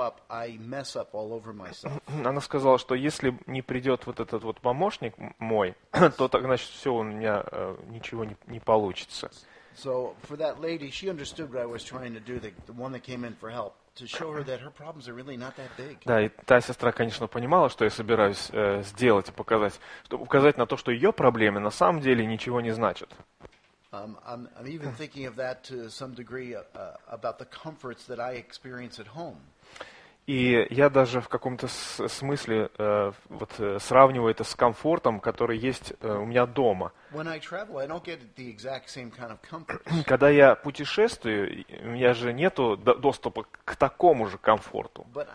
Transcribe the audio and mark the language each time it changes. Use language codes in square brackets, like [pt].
[ru] Она сказала, что если не придет вот этот вот помощник мой, то так, значит, все у меня ничего не получится. [en] So for that lady, she understood what I was trying to do, the one that came in for help. To show her that her problems are really not that big. [ru] Да, и та сестра, конечно, понимала, что я собираюсь сделать, показать, чтобы указать на то, что ее проблемы на самом деле ничего не значат. [en] I'm even thinking of that to some degree about the comforts that I experience at home. [ru] И я даже в каком-то смысле вот сравниваю это с комфортом, который есть у меня дома. Когда я путешествую, у меня же нет доступа к такому же комфорту.